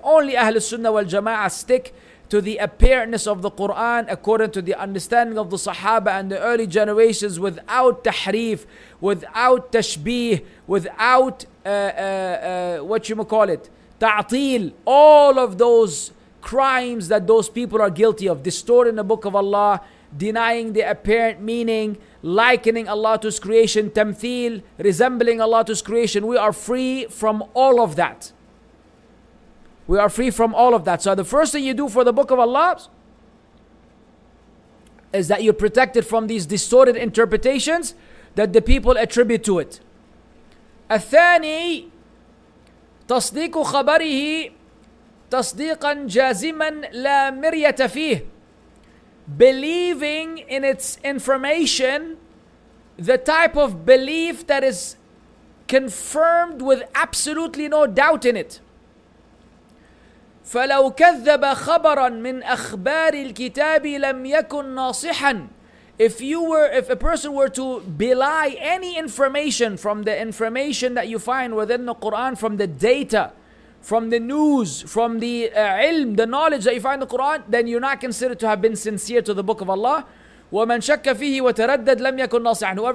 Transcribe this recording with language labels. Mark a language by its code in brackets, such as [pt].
[en] Only Ahlus Sunnah wal Jama'ah stick to the apparentness of the Quran according to the understanding of the Sahaba and the early generations, without tahreef, without tashbih, without ta'teel, all of those crimes that those people are guilty of, distorting the Book of Allah, denying the apparent meaning, likening Allah to His creation, tamthil, resembling Allah to His creation. We are free from all of that. We are free from all of that. So the first thing you do for the Book of Allah is that you protect it from these distorted interpretations that the people attribute to it. [ar] الثاني تصديق خبره تصديقا جازما لا مرية فيه. [en] Believing in its information, the type of belief that is confirmed with absolutely no doubt in it. [ar] فلو كذب خبرا من أخبار الكتاب لم يكن ناصحا. [en] If a person were to belie any information from the information that you find within the Quran, from the data, from the news, from the ilm, the knowledge that you find in the Quran, then you're not considered to have been sincere to the Book of Allah. [ar] وَمَنْ شَكَّ فِيهِ وَتَرَدَّدْ لَمْ يَكُنْ نَصِحًا.